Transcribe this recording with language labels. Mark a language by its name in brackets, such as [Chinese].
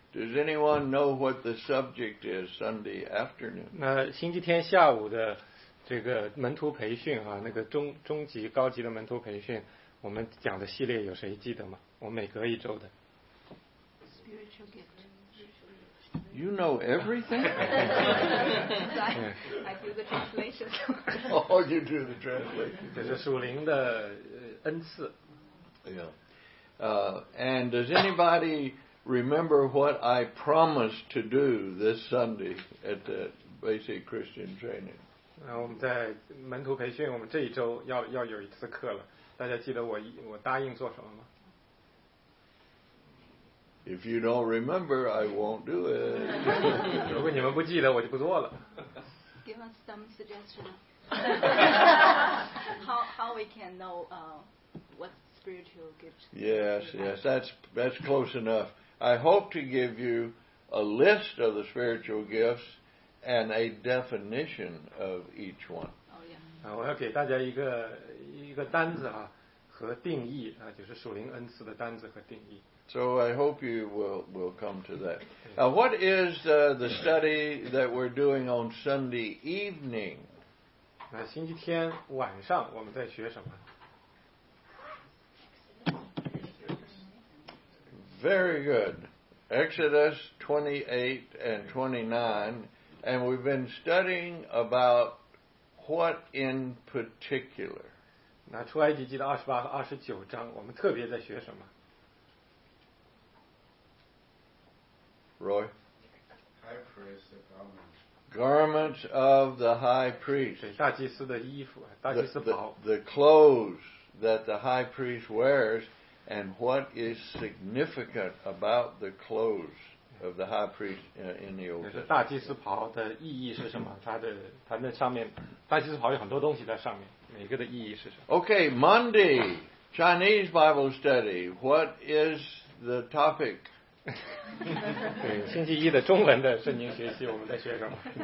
[English] Does anyone know what the subject is Sunday afternoon? [Chinese] 那星期天下午的这个门徒培训啊，那个中级高级的门徒培训，我们讲的系列有谁记得吗？我每隔一周的。 [English] Spiritual gift. You know everything? I do the translation. Oh, you do the translation. [Chinese] 这是属灵的恩赐。 [English] Yeah. And does anybody remember what I promised to do this Sunday at the basic Christian training? [Chinese] 我们在门徒培训，我们这一周要有一次课了。大家记得我答应做什么吗？ [English] If you don't remember, I won't do it. [Chinese] 如果你们不记得，我就不做了。 [English] Give us some suggestion. how we can know what spiritual gift? Yes, that's close enough. I hope to give you a list of the spiritual gifts and a definition of each one. Oh yeah. [Chinese] 我要给大家一个单子啊和定义啊，就是属灵恩赐的单子和定义。 [English] So I hope you will come to that. Now, what is the study that we're doing on Sunday evening? [Chinese] 那星期天晚上我们在学什么？ [English] Very good. Exodus 28 and 29. And we've been studying about what in particular? [Chinese] 那出埃及记的28和29章我们特别在学什么？ [English] Roy? High priest of garments. Garments of the high priest. [Chinese] 大祭司的衣服，大祭司袍。 [English] The clothes that the high priest wears, and what is significant about the clothes of the high priest in the Old Testament. [Chinese] 大祭司袍的意义是什么？它那上面，大祭司袍有很多东西在上面，每个的意义是什么？ [English] Okay, Monday, Chinese Bible study. What is the topic? [Chinese] 对，星期一的中文的圣经学习，我们在学什么